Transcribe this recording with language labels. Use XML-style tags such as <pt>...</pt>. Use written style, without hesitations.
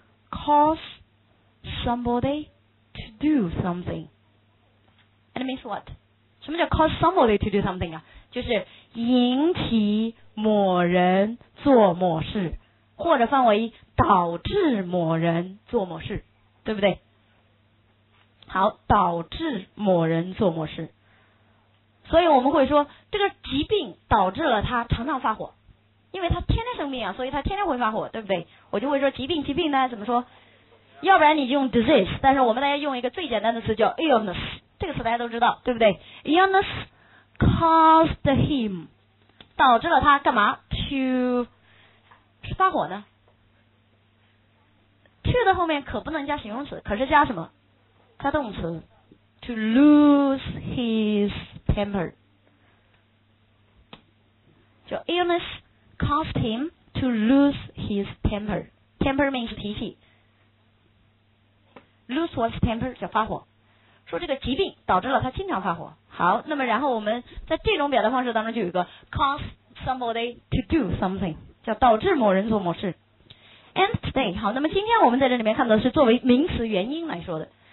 <en>cause somebody to do something. And it means what?</en> <zh>什么叫</zh> <en>cause somebody to do something</en> <zh>啊？就是引起某人做某事，或者范围导致某人做某事，对不对？好，导致某人做某事。所以我们会说，这个疾病导致了他常常发火，因为他天天生病啊，所以他天天会发火，对不对？我就会说疾病呢，怎么说？要不然你就用 disease， 但是我们大家用一个最简单的词叫 illness， 这个词大家都知道，对不对？</zh> <en>illness caused him，</en> <zh>导致了他干嘛？ to 是发火呢？ to 的后面可不能加形容词，可是加什么？加动词，</zh> <en>to lose his temper，</en> <zh>叫</zh> <en>illness caused him to lose his temper。 temper means</en> <zh>脾气，</zh> <en>Lose one's temper</en> <zh>叫发火，说这个疾病导致了他经常发火。好，那么然后我们在这种表达方式当中就有一个</zh> <en>cause somebody to do something，</en> <zh>叫导致某人做某事。</zh> <en>And today，</en> <zh>好，那么今天我们在这里面看到是作为名词原因来说的。</zh>